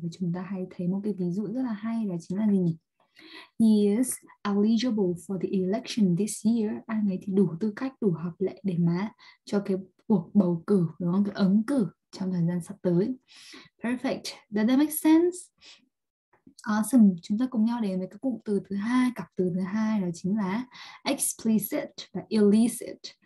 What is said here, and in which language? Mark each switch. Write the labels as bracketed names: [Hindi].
[Vietnamese] Và chúng ta hay thấy một cái ví dụ rất là hay là chính là gì? [English] He is eligible for the election this year. [Vietnamese] Anh ấy thì đủ tư cách, đủ hợp lệ để mà cho cái cuộc bầu cử, đúng không? Cái ứng cử trong thời gian sắp tới. [English] Perfect. Does that make sense? Awesome. [Vietnamese] Chúng ta cùng nhau đến với cái cụm từ thứ hai, cặp từ thứ hai đó chính là explicit và illicit.